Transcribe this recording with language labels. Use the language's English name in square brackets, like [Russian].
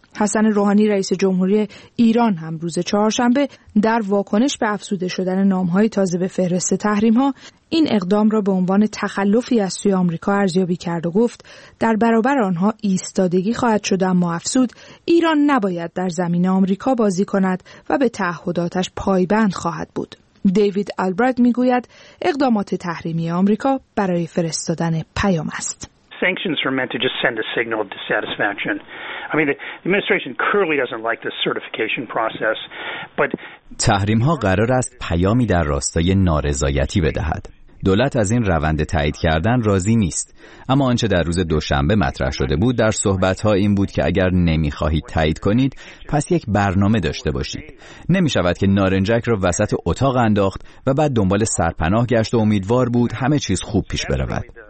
[Persian] حسن روحانی رئیس جمهوری ایران هم روز چهارشنبه در واکنش به افزوده شدن نام‌های تازه به فهرست تحریم‌ها این اقدام را به عنوان تخلفی از سوی آمریکا ارزیابی کرد و گفت در برابر آنها ایستادگی خواهد شد، اما افزود ایران نباید در زمین آمریکا بازی کند و به تعهداتش پایبند خواهد بود. دیوید آلبرت میگوید اقدامات تحریمی آمریکا برای فرستادن پیام است. [English] Sanctions are meant to just send a signal of dissatisfaction. I mean, the administration clearly doesn't like this certification process, but [Persian] تحریم‌ها قرار است پیامی در راستای نارضایتی بدهد. دولت از این روند تایید کردن راضی نیست. اما آنچه در روز دوشنبه مطرح شده بود در صحبت‌ها این بود که اگر نمی‌خواهید تایید کنید، پس یک برنامه داشته باشید. نمی‌شود که نارنجک را وسط اتاق انداخت و بعد دنبال سرپناه گشت و امیدوار بود همه چیز خوب پیش برود.